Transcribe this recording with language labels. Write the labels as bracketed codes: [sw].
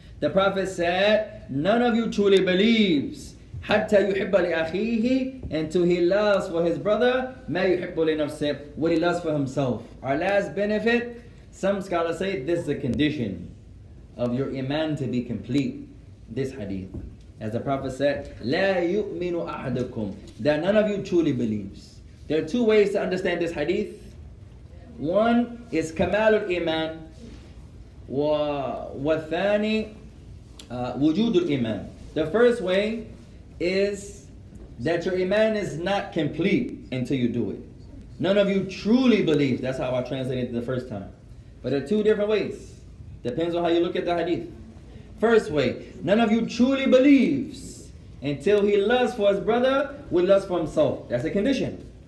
[en] The Prophet said, none of you truly believes [ar] حَتَّى يُحِبَّ لِأَخِيهِ [en] until he loves for his brother [ar] مَا يُحِبُّ لِنَفْسِهِ [en] what he loves for himself. Our last benefit, some scholars say this is a condition of your iman to be complete. This hadith. As the Prophet said, [ar] لَا يُؤْمِنُ أَحَدُكُمْ [en] that none of you truly believes. There are two ways to understand this hadith. One is [ar] كَمَالُ الْإِيمَانِ وَثَانِي وُجُودُ الْإِيمَانِ. [en] The first way is that your iman is not complete until you do it. None of you truly believe. That's how I translated it the first time. But there are two different ways. Depends on how you look at the hadith. First way, none of you truly believes until he loves for his brother with lust for himself. That's a condition.